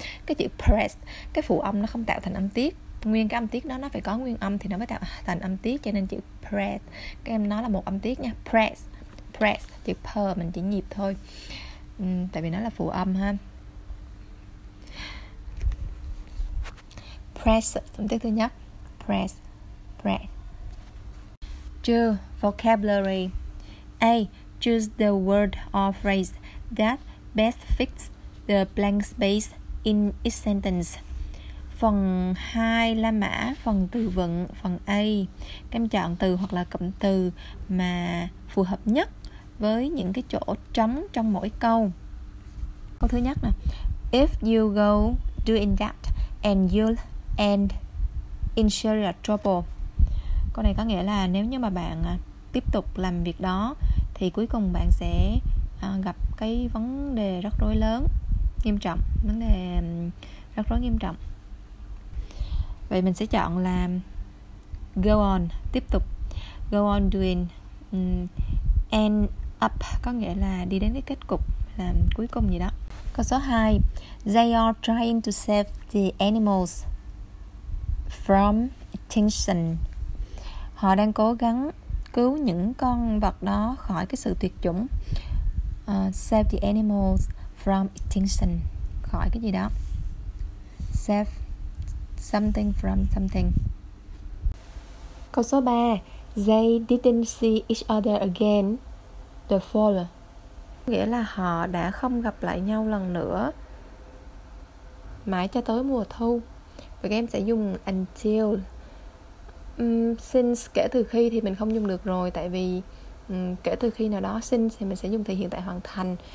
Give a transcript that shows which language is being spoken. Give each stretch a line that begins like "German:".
Vietnamese: Cái chữ press, cái phụ âm nó không tạo thành âm tiết, nguyên cái âm tiết đó nó phải có nguyên âm thì nó mới tạo thành âm tiết, cho nên chữ press, các em nói là một âm tiết nha. Press, chữ p mình chỉ nhịp thôi, tại vì nó là phụ âm ha. Press, âm tiết thứ nhất, press.
English: Right. Two, vocabulary. A. Choose the word or phrase that best fits the blank space in each sentence.
Vietnamese: Phần 2 là mã phần từ vựng, phần A. Các em chọn từ hoặc là cụm từ mà phù hợp nhất với những cái chỗ trống trong mỗi câu. Câu thứ nhất nè.
English: If you go doing that and you'll end in serious trouble.
Vietnamese: Câu này có nghĩa là nếu như mà bạn tiếp tục làm việc đó thì cuối cùng bạn sẽ gặp cái vấn đề rắc rối lớn, nghiêm trọng, vấn đề rắc rối nghiêm trọng. Vậy mình sẽ chọn là go on, tiếp tục.
English: Go on doing.
Vietnamese: End up có nghĩa là đi đến cái kết cục, là cuối cùng gì đó. Câu số 2. They are trying to save the animals from extinction. Họ đang cố gắng cứu những con vật đó khỏi cái sự tuyệt chủng.
English: Save the animals from extinction. Khỏi cái gì đó. Save something from something.
Vietnamese: Câu số 3.
English: They didn't see each other again the fall.
Vietnamese: Nghĩa là họ đã không gặp lại nhau lần nữa mãi cho tới mùa thu. Và các em sẽ dùng until. Since kể từ khi thì mình không dùng được rồi. Tại vì kể từ khi nào đó since thì mình sẽ dùng thì hiện tại hoàn thành.